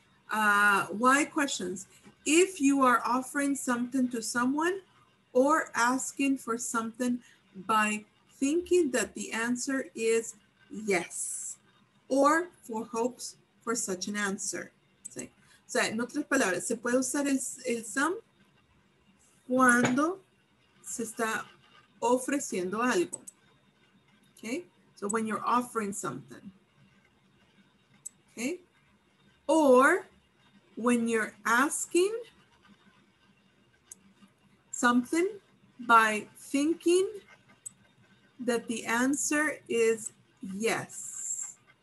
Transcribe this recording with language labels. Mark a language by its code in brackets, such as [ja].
[en] Why questions? If you are offering something to someone or asking for something by thinking that the answer is yes, or for hopes for such an answer. [es] ¿Sí? O sea, en otras palabras, se puede usar el some cuando se está ofreciendo algo. [en] Okay, so when you're offering something. Okay, or when you're asking something by thinking that the answer is yes.